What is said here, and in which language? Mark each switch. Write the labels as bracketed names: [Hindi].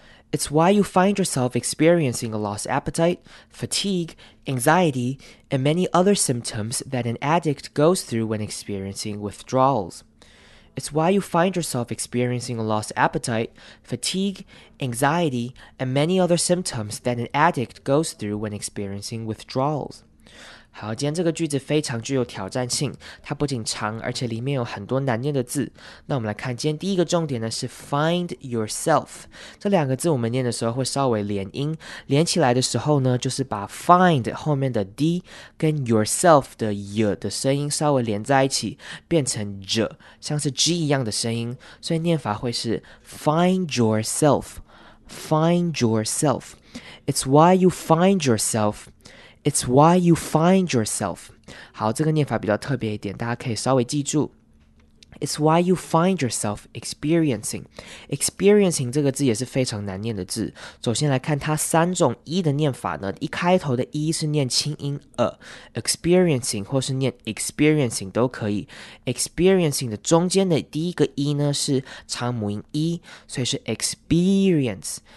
[English] It's why you find yourself experiencing a lost appetite, fatigue, anxiety, and many other symptoms that an addict goes through when experiencing withdrawals. It's why you find yourself experiencing a lost appetite, fatigue, anxiety, and many other symptoms that an addict goes through when experiencing withdrawals. [Chinese] 好，今天这个句子非常具有挑战性，它不仅长，而且里面有很多难念的字。那我们来看今天第一个重点呢，是 [English] find yourself。 [Chinese] 这两个字我们念的时候会稍微连音，连起来的时候呢，就是把 find 后面的 d 跟 yourself 的 y 的声音稍微连在一起，变成 j， 像是 g 一样的声音，所以念法会是 [English] find yourself， find yourself。 It's why you find yourselfIt's why you find yourself. [Chinese] 好，这个念法比较特别一点，大家可以稍微记住。 [English] It's why you find yourself experiencing. [Chinese] Experiencing 这个字也是非常难念的字。首先来看它三种一的念法呢，一开头的一是念轻音experiencing 或是念 experiencing 都可以。 Experiencing 的中间的第一个一呢是长母音一，所以是 experience。